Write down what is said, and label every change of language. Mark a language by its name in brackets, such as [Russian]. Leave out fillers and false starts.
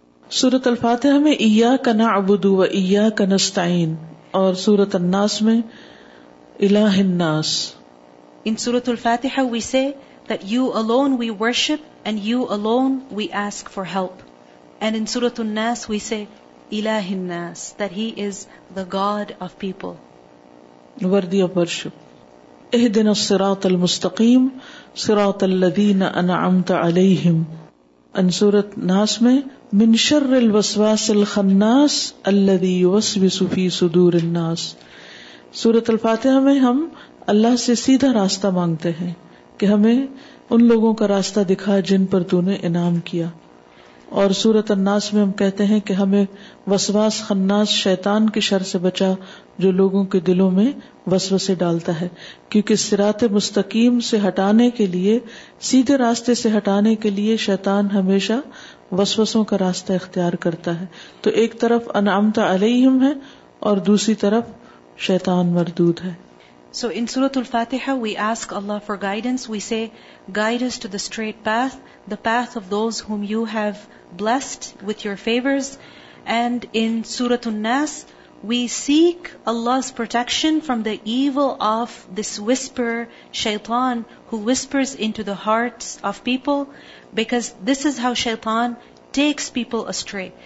[Urdu] Surah Al-Fatiha mein [Arabic] Iyyaka na'budu wa Iyyaka nasta'in, [Urdu] aur Surah An-Nas mein [Arabic] Ilahin Nas. [English] In Surah Al-Fatiha we say that you alone we worship and you alone we ask for help. And in Surah An-Nas we say Ilahin Nas, that he is the god of people, worthy of worship. [Arabic] اهدنا الصراط المستقيم صراط الذين انعمت عليهم. [Urdu] ان سوره ناس میں [Arabic] من شر الوسواس الخناس الذي يوسوس في صدور الناس. [Urdu] سوره الفاتحه میں ہم اللہ سے سیدھا راستہ مانگتے ہیں کہ ہمیں ان لوگوں کا راستہ دکھا جن پر تو نے انعام کیا, اور سوره الناس میں ہم کہتے ہیں کہ ہمیں وسواس خناس شیطان کے شر سے بچا جو لوگوں کے دلوں میں وسوسے ڈالتا ہے, کیونکہ صراط مستقیم سے ہٹانے کے لیے, سیدھے راستے سے ہٹانے کے لیے شیطان ہمیشہ وسوسوں کا راستہ اختیار کرتا ہے. تو ایک طرف انعمت علیہم ہے اور دوسری طرف شیطان مردود ہے. [English] So in Surah Al-Fatiha we ask Allah for guidance. We say, guide us to the straight path, the path of those whom you have blessed with your favors. And in Surah An-Nas we seek Allah's protection from the evil of this whisper, shaitan, who whispers into the hearts of people, because this is how shaitan takes people astray.